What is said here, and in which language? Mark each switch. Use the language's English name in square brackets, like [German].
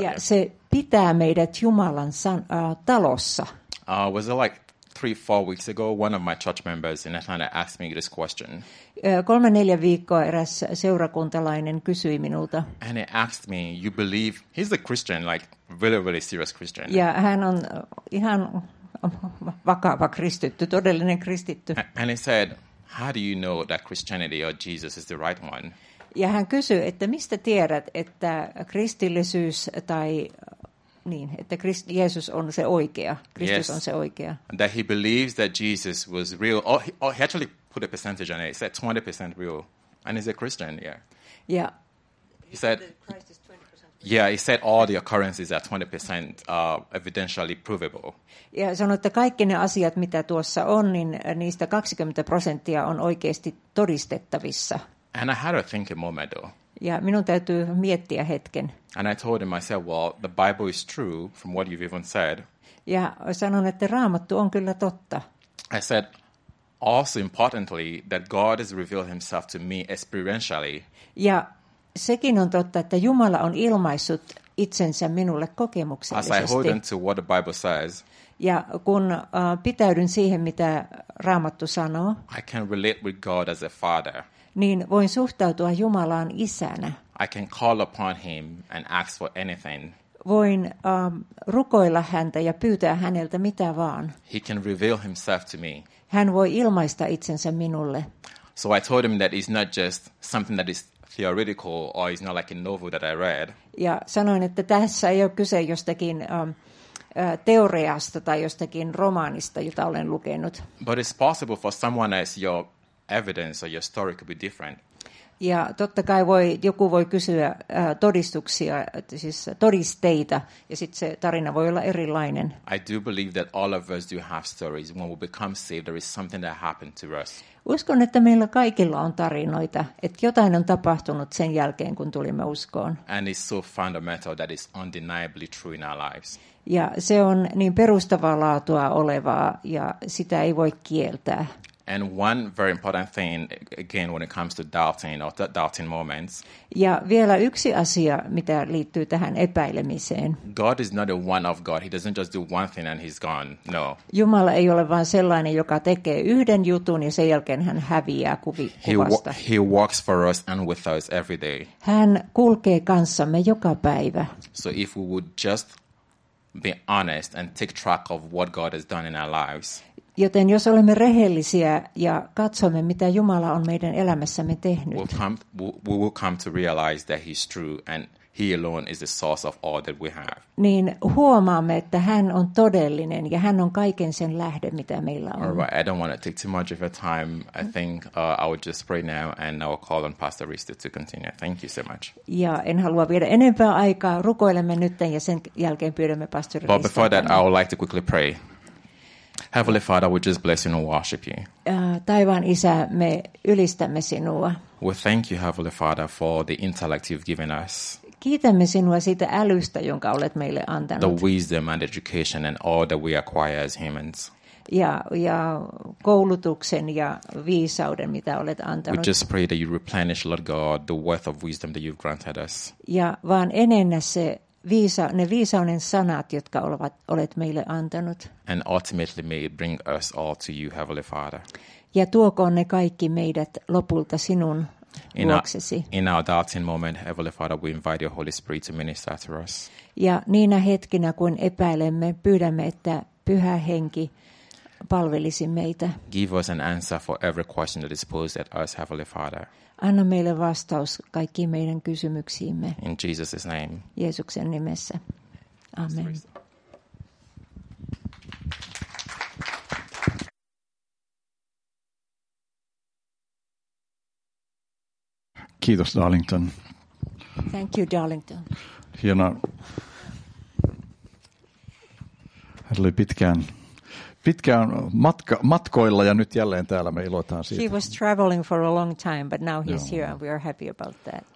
[Finnish] Ja se pitää meidät Jumalan talossa. [English] Was it like 3-4 weeks ago, one of my church members in Atlanta asked me this question. [Finnish] 3-4 viikkoa eräs seurakuntalainen kysyi minulta. [English] And he asked me, you believe, he's a Christian, like really, really serious Christian. [Finnish] Ja hän on ihan vakava kristitty, todellinen kristitty. [English] And he said, how do you know that Christianity or Jesus is the right one? [Finnish] Ja hän kysyy, että mistä tiedät, että kristillisyys tai niin, että Jeesus on se oikea, Kristus On se oikea. [English] And that he believes that Jesus was real, he actually put a percentage on it, he said 20% real, and he's a Christian, yeah. Yeah. He said, yeah, he said all the occurrences are 20% evidentially provable. [Finnish] Ja sanoi, että kaikki ne asiat, mitä tuossa on, niin niistä 20% on oikeasti todistettavissa. [English] And I had to think a moment though. [Finnish] Ja minun täytyy miettiä hetken. [English] And I told him, I said, well, the Bible is true from what you've even said. [Finnish] Ja sanon, että Raamattu on kyllä totta. [English] I said, also importantly, that God has revealed himself to me experientially. [Finnish] Ja sekin on totta, että Jumala on ilmaissut itsensä minulle kokemuksellisesti. [English] As I hold on to what the Bible says, [Finnish] ja kun pitäydyn siihen, mitä Raamattu sanoo, [English] I can relate with God as a father. [Finnish] Niin voin suhtautua Jumalaan isänä. [English] I can call upon him and ask for anything. [Finnish] Voin rukoilla häntä ja pyytää häneltä mitä vaan. [English] He can reveal himself to me. [Finnish] Hän voi ilmaista itsensä minulle. [English] So I told him that it's not just something that is theoretical or it's not like a novel that I read. [Finnish] Ja sanoin, että tässä ei ole kyse jostakin teoriasta tai jostakin romaanista, jota olen lukenut. [English] But it's possible for someone as your evidence or your story could be different. [Finnish] Ja totta kai joku voi kysyä todistuksia, siis todisteita, ja sitten se tarina voi olla erilainen. [English] I do believe that all of us do have stories. When we become saved, there is something that happened to us. [Finnish] Uskon, että meillä kaikilla on tarinoita, että jotain on tapahtunut sen jälkeen, kun tulimme uskoon. [English] And it's so fundamental that it's undeniably true in our lives. [Finnish] Ja se on niin perustavaa laatua olevaa, ja sitä ei voi kieltää. [English] And one very important thing, again, when it comes to doubting or doubting moments. [Finnish] Ja vielä yksi asia, mitä liittyy tähän epäilemiseen. [English] God is not a one-off God. He doesn't just do one thing and he's gone. No. [Finnish] Jumala ei ole vain sellainen, joka tekee yhden jutun ja sen jälkeen hän häviää kuvasta. [English] He walks for us and with us every day. [Finnish] Hän kulkee kanssamme joka päivä. [English] So if we would just be honest and take track of what God has done in our lives. [Finnish] Joten jos olemme rehellisiä ja katsomme, mitä Jumala on meidän elämässämme tehnyt, [English] we will come to realize that he's true and he alone is the source of all that we have. [Finnish] Niin huomaamme, että hän on todellinen ja hän on kaiken sen lähde, mitä meillä on. [English] All right, I don't want to take too much of your time. I think I will just pray now and I will call on Pastor Risto to continue. Thank you so much. [Finnish] Ja en halua viedä enempää aikaa. Rukoilemme nytten ja sen jälkeen pyydämme Pastor Risto. [English] But before that, I would like to quickly pray. Heavenly Father, we just bless you and worship you. [Finnish] Taivaan Isä, me ylistämme sinua. [English] We thank you, Heavenly Father, for the intellect you've given us. [Finnish] Kiitämme sinua siitä älystä, jonka olet meille antanut. [English] The wisdom and education and all that we acquire as humans. [Finnish] Ja koulutuksen ja viisauden, mitä olet antanut. [English] We just pray that you replenish, Lord God, the wealth of wisdom that you've granted us. [Finnish] Ja vaan enennä se. Ne viisauden sanat, jotka olet meille antanut. [English] And ultimately may bring us all to you, Heavenly Father. [Finnish] Ja tuokoon ne kaikki meidät lopulta sinun luoksesi. [English] In our doubting moment, Heavenly Father, we invite your Holy Spirit to minister to us. [Finnish] Ja niinä hetkinä, kun epäilemme, pyydämme, että Pyhä Henki palvelisi meitä. [English] Give us an answer for every question that is posed at us, Heavenly Father. [Finnish] Anna meille vastaus kaikkiin meidän kysymyksiimme. [English] In Jesus' name. [Finnish] Jeesuksen nimessä. Amen. Kiitos, Darlington. [English] Thank you, Darlington. [Finnish] Hienoa. Hän oli pitkään. Pitkään matkoilla ja nyt jälleen täällä me iloitaan siitä. [English] He was traveling for a long time, but now he's here and we are happy about that.